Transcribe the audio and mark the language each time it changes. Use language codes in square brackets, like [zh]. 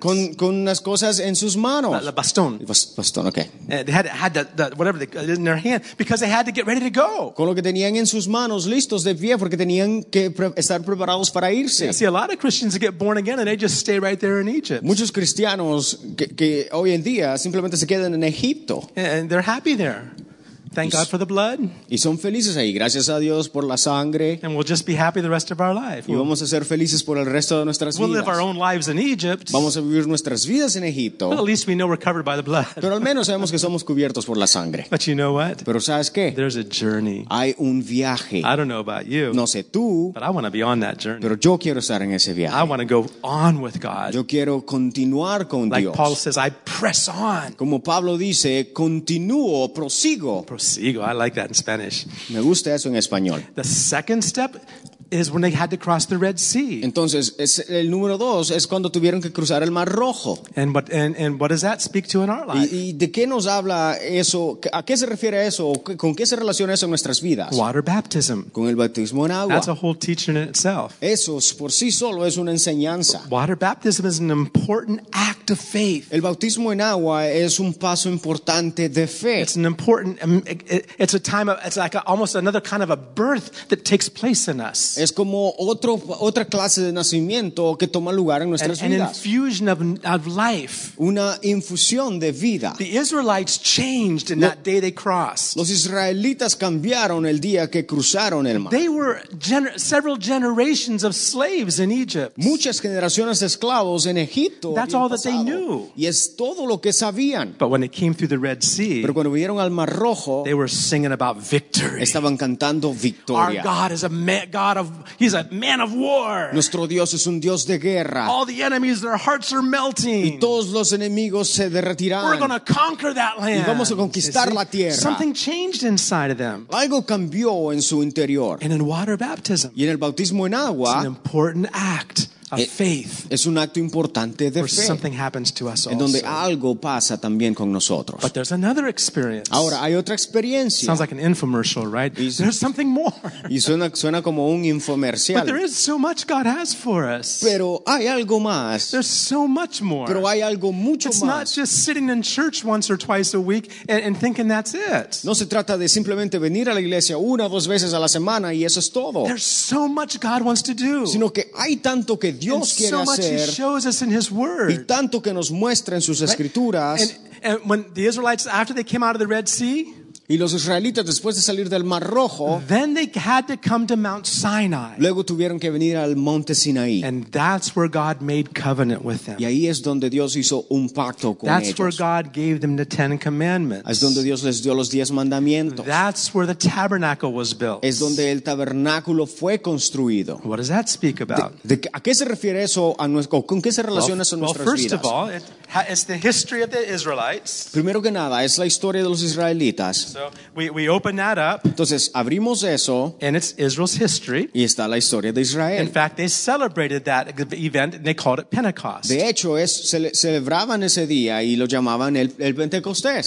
[es] Con las cosas en sus manos. La bastón. Bastón, [en] okay. They had the whatever in their hand because they had to get ready to go. [es] Con lo que tenían en sus manos, listos de pie porque tenían que estar preparados para irse. [en] See, a lot of Christians get born again and they just stay right there in Egypt. [es] Muchos cristianos que hoy en día simplemente se quedan en Egipto. [en] And they're happy there. Thank God for the blood. [es] Y son felices ahí. Gracias a Dios por la sangre. [en] And we'll just be happy the rest of our life. [es] Y vamos a ser felices por el resto de nuestras vidas. [en] We'll live our own lives in Egypt. [es] Vamos a vivir nuestras vidas en Egipto. [en] But at least we know we're covered by the blood. [es] Pero al menos sabemos que somos cubiertos por la sangre. [en] But you know what? [es] Pero ¿sabes qué? [en] There's a journey. [es] Hay un viaje. [en] I don't know about you. [es] No sé tú. [en] But I want to be on that journey. [es] Pero yo quiero estar en ese viaje. [en] I want to go on with God. [es] Yo quiero continuar con [en] like [es] Dios. [en] Like Paul says, I press on. [es] Como Pablo dice, continúo, prosigo. Sigo, [en] I like that in Spanish. [es] Me gusta eso en español. [en] The second step is when they had to cross the Red Sea. [es] Entonces, el número dos es cuando tuvieron que cruzar el Mar Rojo. [en] And what does that speak to in our life? [es] ¿Y de qué nos habla eso? ¿A qué se refiere eso? ¿Con qué se relaciona eso en nuestras vidas? [en] Water baptism. [es] Con el bautismo en agua. [en] That's a whole teaching in itself. [es] Eso por sí solo es una enseñanza. [en] Water baptism is an important act of faith. [es] El bautismo en agua es un paso importante de fe. [en] It's an important, it's a time of, it's like a, almost another kind of a birth that takes place in us. [es] Es como otra clase de nacimiento que toma lugar en nuestras vidas. [en] An infusion of life. [es] Una infusión de vida. [en] The Israelites changed in that day they crossed. [es] Los israelitas cambiaron el día que cruzaron el mar. [en] They were several generations of slaves in Egypt. [es] Muchas generaciones de esclavos en Egipto. [en] That's all that they they knew. [es] Y es todo lo que sabían. [en] But when it came through the Red Sea, [es] pero cuando vinieron al Mar Rojo, [en] they were singing about victory. [es] Estaban cantando victoria. [en] Our God is a man, God of, he's a man of war. [es] Nuestro Dios es un Dios de guerra. [en] All the enemies, their hearts are melting. [es] Y todos los enemigos se derretirán. [en] We're going to conquer that land. [es] Y vamos a conquistar la tierra. [en] Something changed inside of them. [es] Algo cambió en su interior. [en] And in water baptism. [es] Y en el bautismo en agua. [en] It's an important act. Faith, [es] es un acto importante de fe, [en] something happens to us, [es] en donde [en] also [es] algo pasa también con nosotros. [en] But there's another experience. [es] Ahora hay otra experiencia. [en] Sounds like an infomercial, right? There's something more. [es] Y suena como un infomercial. [en] But there is so much God has for us. [es] Pero hay algo más. [en] There's so much more. [es] Pero hay algo mucho [en] it's [es] más. [en] Not just sitting in church once or twice a week and thinking that's it. [es] No se trata de simplemente venir a la iglesia una o dos veces a la semana y eso es todo. [en] There's so much God wants to do. [es] Sino que hay tanto que Dios [en] and so much [es] hacer, [en] he shows us in his word. [es] Y tanto que nos muestra en sus [en] right? [es] escrituras. [en] And when the Israelites, after they came out of the Red Sea, [es] y los israelitas después de salir del Mar Rojo, [en] then they had to come to Mount Sinai. [es] Luego tuvieron que venir al Monte Sinaí. [en] And that's where God made covenant with them. [es] Y ahí es donde Dios hizo un pacto con [en] that's [es] ellos. [en] Where God gave them the Ten Commandments. [es] Es donde Dios les dio los diez mandamientos. [en] That's where the tabernacle was built. [es] Es donde el tabernáculo fue construido. [en] What does that speak about? [es] ¿A qué se refiere eso? ¿Con qué se relaciona eso en nuestras vidas? [en] Well, first of all, it's the history of the Israelites. [es] Primero que nada, es la historia de los israelitas. [en] So we open that up. [es] Entonces abrimos eso. [en] And it's Israel's history. [es] Y está la historia de Israel. [en] In fact, they celebrated that event and they called it Pentecost. [es] De hecho, celebraban ese día y lo llamaban el Pentecostés.